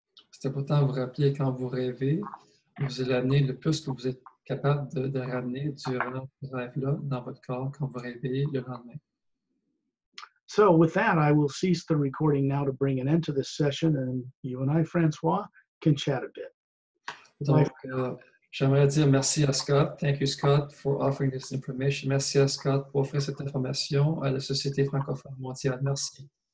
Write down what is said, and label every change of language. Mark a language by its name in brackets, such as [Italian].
[French] C'est important de vous rappeler quand vous rêvez, vous allez amener le plus que vous êtes capable de ramener durant ce rêve-là dans votre corps quand vous rêvez le lendemain. [English] So with that, I will cease the recording now to bring an end to this session, and you and I, Francois, can chat a bit. [French] J'aimerais dire merci à Scott. [English] Thank you, Scott, for offering this information. [French] Merci à Scott pour offrir cette information à la Société francophone mondiale. Merci.